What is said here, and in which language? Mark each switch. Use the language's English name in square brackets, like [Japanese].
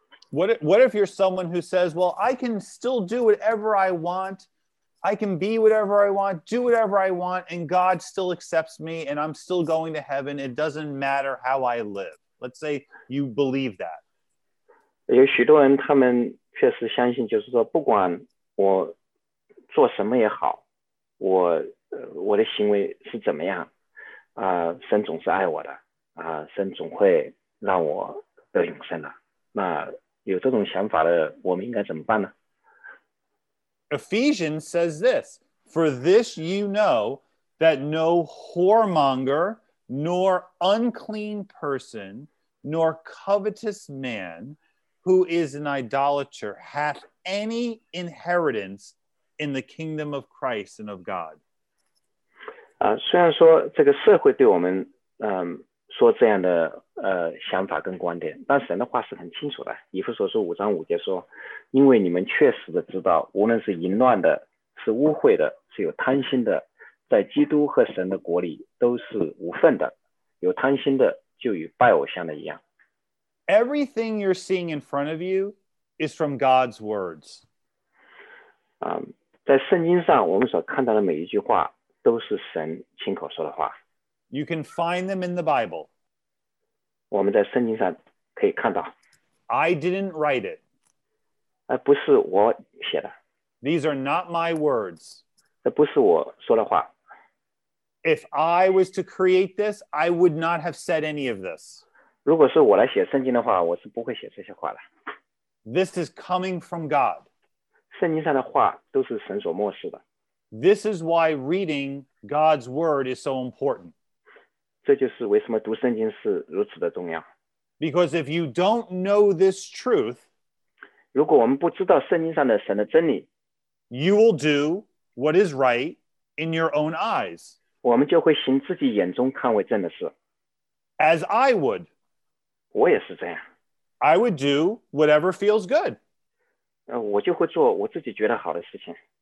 [English] What if you're someone who says, well, I can still do whatever I want, I can be whatever I want, do whatever I want, and God still accepts me, and I'm still going to heaven, it doesn't matter how I live. Let's say you believe that. [Chinese] 有许多人他们确实相信，就是说不管我做什么也好，我的行为是怎么样，神总是爱我的，神总会让我得永生的。那有这种想法的，我们应该怎么办呢？ [English] Ephesians says this, for this you know, that no whoremonger, nor unclean person, nor covetous man, who is an idolater, hath any inheritance in the kingdom of Christ and of God. [Chinese] 虽然说这个社会对我们说这样的想法跟观点，但神的话是很清楚的。以弗所书五章五节说，因为你们确实的知道，无论是淫乱的，是污秽的，是有贪心的，在基督和神的国里都是无份的。有贪心的就与拜偶像的一样。 [English] Everything you're seeing in front of you is from God's words. [Chinese] 在圣经上我们所看到的每一句话都是神亲口说的话。 [English] You can find them in the Bible. [Chinese] 我们在圣经上可以看到。 [English] I didn't write it. [Chinese] 不是我写的。 [English] These are not my words. [Chinese] 这不是我说的话。 [English] If I was to create this, I would not have said any of this. [Chinese] 如果是我来写圣经的话，我是不会写这些话的。 [English] This is coming from God. [Chinese] 圣经上的话都是神所默示的。 [English] This is why reading God's word is so important. [Chinese] 这就是为什么读圣经是如此的重要。 [English] Because if you don't know this truth, [Chinese] 如果我们不知道圣经上的神的真理, [English] you will do what is right in your own eyes. [Chinese] 我们就会行自己眼中看为正的事。 [English] As I would. [Chinese] 我也是这样。 [English] I would do whatever feels good. [Chinese] 我就会做我自己觉得好的事情。